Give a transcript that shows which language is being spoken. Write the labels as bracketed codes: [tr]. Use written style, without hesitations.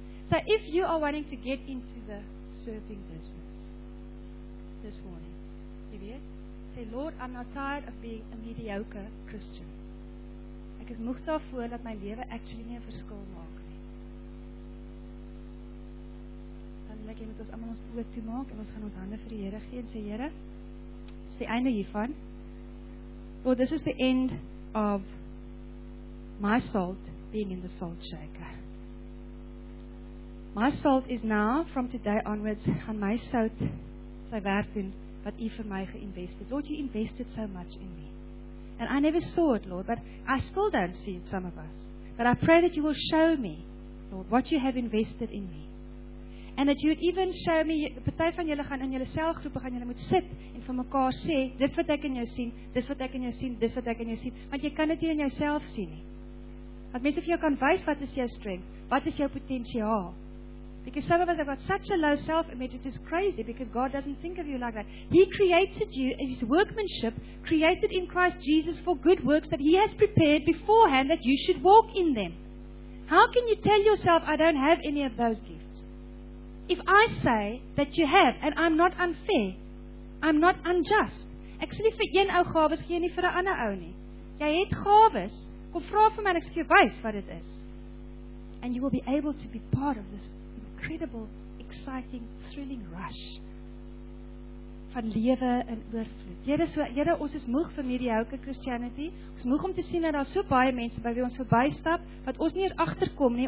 [en] So if you are wanting to get into the surfing business this morning, jy weet, say, Lord, I'm not tired of being a mediocre Christian. [af] Ek is moeg daarvoor dat my lewe actually nie 'n verskil maak. wil ek hê moet ons almal ons oë toemaak en ons gaan ons hande vir die Here gee en sê Here, dis die einde hiervan. [en] Well, this is the end of my salt being in the salt shaker. My salt is now, from today onwards, [af] gaan my sout sy werk doen wat U vir my geïnvesteer het. [en] Lord, You invested so much in me. And I never saw it, Lord, but I still don't see it, some of us. But I pray that You will show me, Lord, what You have invested in me. And that You would even show me, [af] a party van julle gaan in julle selgroepe, gaan julle moet sit en vir mekaar sê, dit wat ek in jou sien, dis wat ek in jou sien, dis wat ek in jou sien. Want jy kan dit nie in jouself sien nie. Want mense vir jou kan wys wat is jou strength, wat is jou potensiaal. [en] Because some of us have got such a low self-image, it is crazy because God doesn't think of you like that. He created you in His workmanship, created in Christ Jesus for good works that He has prepared beforehand that you should walk in them. How can you tell yourself, I don't have any of those gifts? If I say that you have, and I'm not unfair, I'm not unjust. [af] Ek sê nie vir een ou gawes gee nie vir 'n ander ou nie. Jy het gawes, kom vra vir my en ek sê jy wys wat dit is. [en] And you will be able to be part of this incredible, exciting, thrilling rush van lewe in oorvloed. [af] Here, so, Here, ons is moeg vir mediocre Christianity. Ons moeg om te sien dat daar so baie mense by wie ons verbystap, wat ons nie eens agterkom nie.